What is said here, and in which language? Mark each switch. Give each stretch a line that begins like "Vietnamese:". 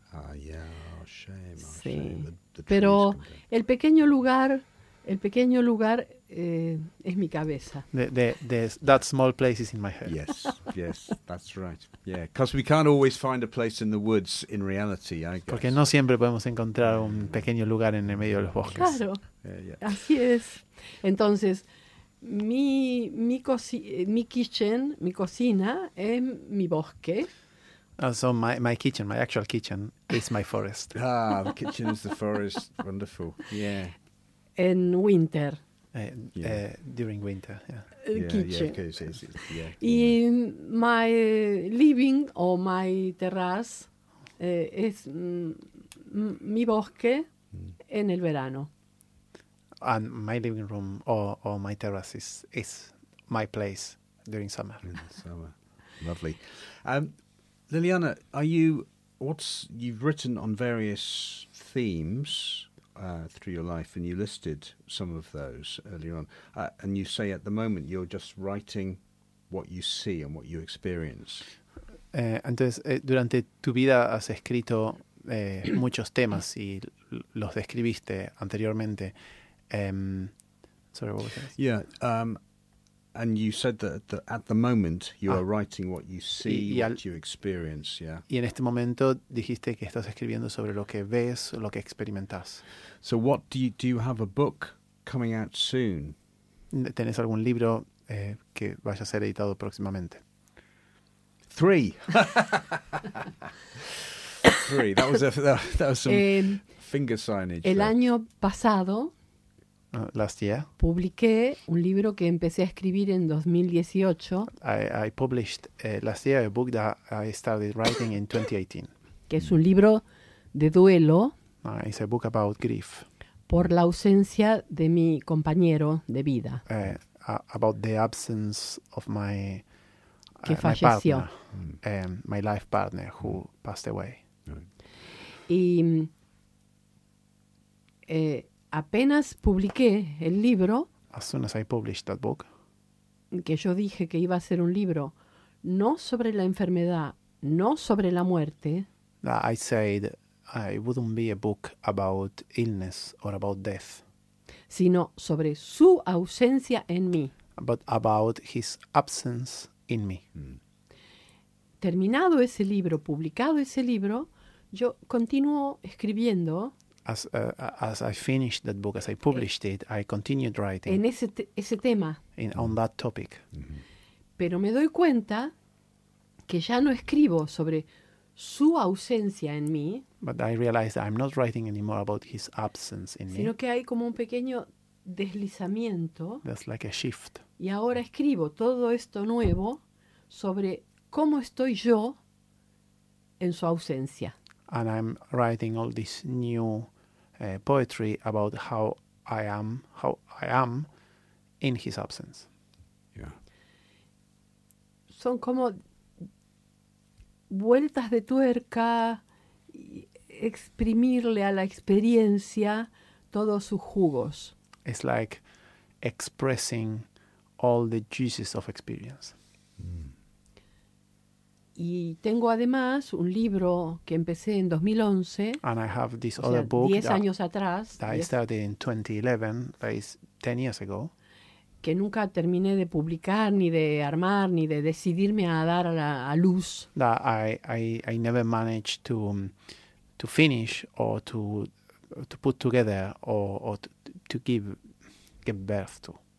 English: Ah, yeah. Shame,
Spanish: sí,
English: shame.
Spanish: Pero el pequeño lugar es mi cabeza.
English: That small place is in my head. Yes, yes, that's right. Yeah, because we can't always find a place in the woods in reality, I guess.
Spanish: Porque no siempre podemos encontrar un pequeño lugar en el medio de los bosques. Claro, yeah. Así es. Entonces, mi cocina es mi bosque.
English: So my kitchen, my actual kitchen, is my forest. Ah, the kitchen is the forest. Wonderful. Yeah. In winter. During winter, yeah. Kitchen. Yeah, of course. Yeah. In my living or my terrace is mi bosque en el verano. And my living room or my terrace is my place during summer. In the summer. Lovely. Liliana, you've written on various themes through your life, and you listed some of those earlier on. And you say at the moment you're just writing what you see and what you experience.
Spanish: Entonces, durante tu vida has escrito muchos temas y los describiste anteriormente.
English: Sorry, what was that? Yeah. And you said that at the moment you are writing what you see, what you experience, yeah.
Spanish: Y en este momento dijiste que estás escribiendo sobre lo que ves, lo que experimentas.
English: So what do you have a book coming out soon?
Spanish: ¿Tenés algún libro que vaya a ser editado próximamente?
English: Three. Three. That was some finger signage.
Spanish: Año pasado.
English: Last year.
Spanish: Publiqué un libro que empecé a escribir en 2018.
English: I published last year a book that I started writing in 2018.
Spanish: Que es un libro de duelo.
English: It's a book about grief.
Spanish: Por la ausencia de mi compañero de vida.
English: About the absence of my
Spanish: que falleció.
English: My life partner who passed away.
Spanish: Y apenas publiqué el libro.
English: As soon as I published that book.
Spanish: Que yo dije que iba a ser un libro no sobre la enfermedad, no sobre la muerte.
English: I said it wouldn't be a book about illness or about death.
Spanish: Sino sobre su ausencia en mí.
English: But about his absence in me.
Spanish: Terminado ese libro, publicado ese libro, yo continuo escribiendo.
English: As I finished that book, as I published it, I continued writing.
Spanish: En ese tema.
English: On that topic.
Spanish: Pero me doy cuenta que ya no escribo sobre su ausencia en mí.
English: But I realized that I'm not writing anymore about his absence in me.
Spanish: Sino que hay como un pequeño deslizamiento.
English: That's like a shift.
Spanish: Y ahora escribo todo esto nuevo sobre cómo estoy yo en su ausencia.
English: And I'm writing all this new poetry about how I am in his absence. Yeah.
Spanish: Son como vueltas de tuerca, exprimirle a la experiencia todos sus jugos.
English: It's like expressing all the juices of experience.
Spanish: Y tengo además un libro que empecé en 2011.
English: And I have this other book
Spanish: 10 años atrás.
English: That I started in 2011, that is 10 years ago.
Spanish: Que nunca terminé de publicar, ni de armar, ni de decidirme a dar a luz.
English: That I never managed to to finish or to put together or to give birth to.